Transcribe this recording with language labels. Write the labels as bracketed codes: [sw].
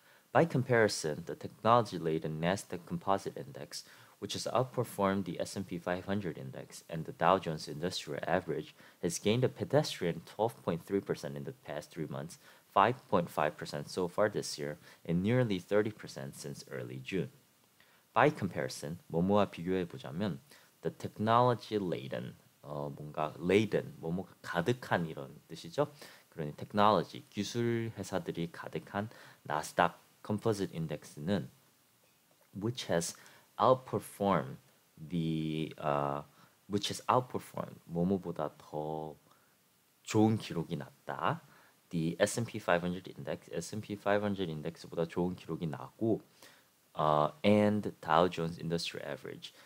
[en] By comparison, the technology-laden Nasdaq Composite Index, which has outperformed the S&P 500 Index and the Dow Jones Industrial Average, has gained a pedestrian 12.3% in the past 3 months, 5.5% so far this year, and nearly 30% since early June. By comparison, [ko] 뭐뭐와 비교해보자면, [en] The technology laden, [ko] 뭔가 laden, 뭐뭐가 가득한 이런 뜻이죠. 그러니 technology, 기술 회사들이 가득한 나스닥 composite index는 [en] which has outperformed the, which has outperformed, [ko] 뭐뭐보다 더 좋은 기록이 났다. [en] The S&P 500 index, S&P 500 index [ko] 보다 좋은 기록이 나고 [en] and Dow Jones Industrial Average.